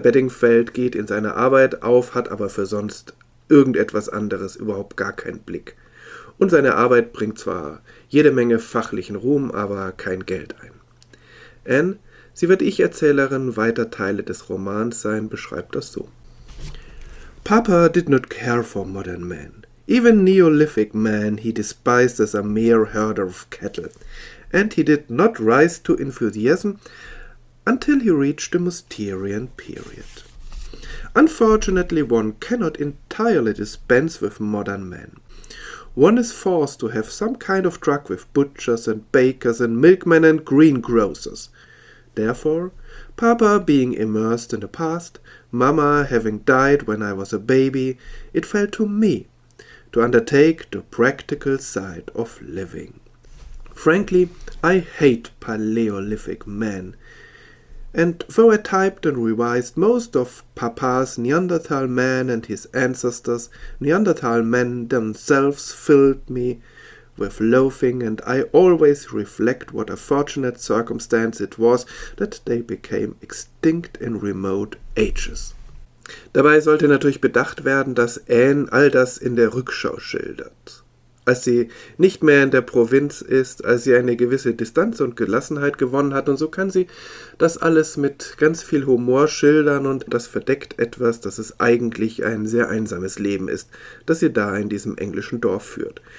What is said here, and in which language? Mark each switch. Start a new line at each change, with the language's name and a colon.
German: Bedingfeld geht in seine Arbeit auf, hat aber für sonst irgendetwas anderes überhaupt gar keinen Blick. Und seine Arbeit bringt zwar jede Menge fachlichen Ruhm, aber kein Geld ein. Sie wird Ich-Erzählerin weiter Teile des Romans sein, beschreibt das so.
English: Papa did not care for modern man. Even Neolithic man he despised as a mere herder of cattle. And he did not rise to enthusiasm until he reached the Mousterian period. Unfortunately, one cannot entirely dispense with modern man. One is forced to have some kind of truck with butchers and bakers and milkmen and greengrocers. Therefore, Papa being immersed in the past, Mama having died when I was a baby, it fell to me to undertake the practical side of living. Frankly, I hate Paleolithic man. And though I typed and revised most of Papa's Neanderthal man and his ancestors, Neanderthal men themselves filled me with loafing, and I always reflect what a fortunate circumstance it was that they became extinct in remote ages.
German: Dabei sollte natürlich bedacht werden, dass Anne all das in der Rückschau schildert. Als sie nicht mehr in der Provinz ist, als sie eine gewisse Distanz und Gelassenheit gewonnen hat, und so kann sie das alles mit ganz viel Humor schildern, und das verdeckt etwas, dass es eigentlich ein sehr einsames Leben ist, das sie da in diesem englischen Dorf führt.